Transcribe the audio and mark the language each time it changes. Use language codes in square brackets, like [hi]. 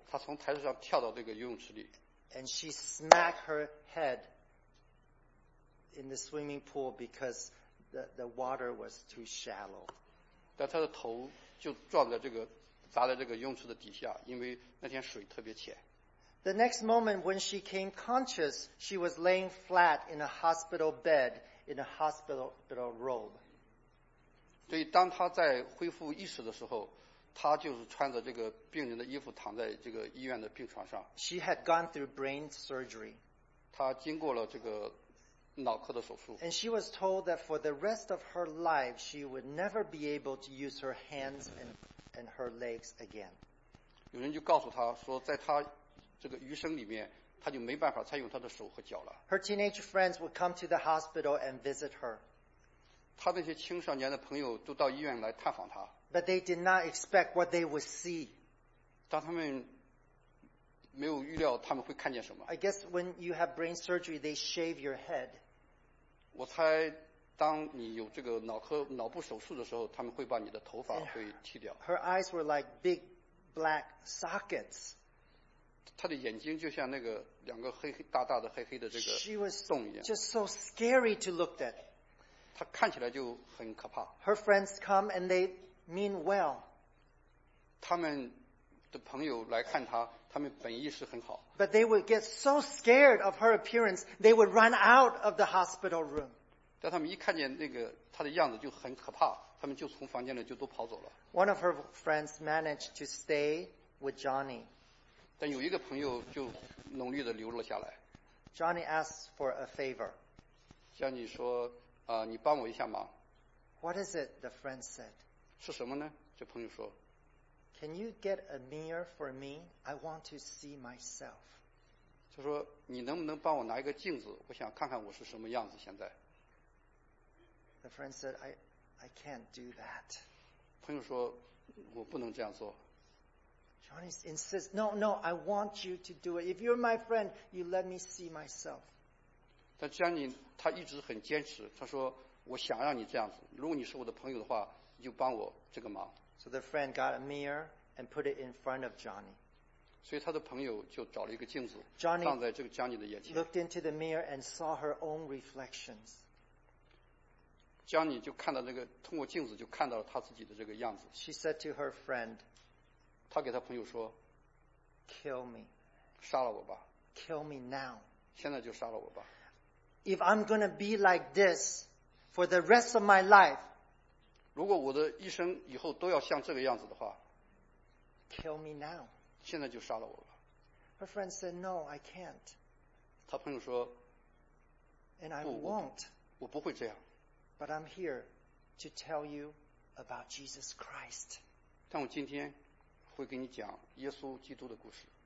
[zh] 她从台子上跳到这个游泳池里。 [en] And she smacked her head in the swimming pool because the water was too shallow. [zh] 但她的头就撞在这个砸在这个泳池的底下，因为那天水特别浅。 [en] The next moment when she came conscious, she was laying flat in a hospital bed in a hospital robe. [zh] 所以当她在恢复意识的时候，她就是穿着这个病人的衣服躺在这个医院的病床上。 [en] She had gone through brain surgery. [zh] 她经过了这个脑科的手术。 [en] And she was told that for the rest of her life, she would never be able to use her hands and her legs again. [zh] 有人就告诉她说，在她这个余生里面，她就没办法再用她的手和脚了。 [en] Her teenage friends would come to the hospital and visit her. [zh] 她那些青少年的朋友都到医院来探访她。 [en] But they did not expect what they would see. [zh] 当他们没有预料他们会看见什么。 [en] I guess when you have brain surgery, they shave your head. [zh] 我猜当你有这个脑部手术的时候，他们会把你的头发会剃掉。 [en] Her eyes were like big black sockets. [zh] 她的眼睛就像那个两个黑黑大大的黑黑的这个洞一样。 [en] She was just so scary to look at. [zh] 她看起来就很可怕。 [en] Her friends come and they mean well. [zh] 他们的朋友来看她，他们本意是很好。 [en] But they would get so scared of her appearance, they would run out of the hospital room. [zh] 但他们一看见那个他的样子就很可怕，他们就从房间里就都跑走了。 [en] One of her friends managed to stay with Johnny. [zh] 但有一个朋友就努力地留了下来。 [en] Johnny asked for a favor. [zh] 叫你说，你帮我一下忙。 [en] What is it? The friend said. [zh] 是什么呢？这朋友说。 [en] Can you get a mirror for me? I want to see myself. [zh] 就说你能不能帮我拿一个镜子？我想看看我是什么样子现在。 [en] The friend said, I can't do that. [zh] 朋友说，我不能这样做。 [en] Johnny insists, no, I want you to do it. If you're my friend, you let me see myself. [zh] 但 Johnny 他一直很坚持，他说，我想让你这样子。如果你是我的朋友的话，你就帮我这个忙。 [en] So the friend got a mirror and put it in front of Johnny. [zh] 所以他的朋友就找了一个镜子， Johnny、放在这个 Johnny 的眼前。 [en] Looked into the mirror and saw her own reflections. [zh] 江妮就看到那个通过镜子就看到了她自己的这个样子。 [en] She said to her friend, [zh] 她给她朋友说 [en] Kill me. [zh] 杀了我吧。 [en] Kill me now. [zh] 现在就杀了我吧。 [en] If I'm going to be like this for the rest of my life, [zh] 如果我的一生以后都要像这个样子的话， [en] kill me now. [zh] 现在就杀了我吧。 [en] Her friend said, no, I can't. [zh] 他朋友说， [en] and I won't. [zh] 我不会这样。 [en] But I'm here to tell you about Jesus Christ. [zh] 但我今天会跟你讲耶稣基督的故事。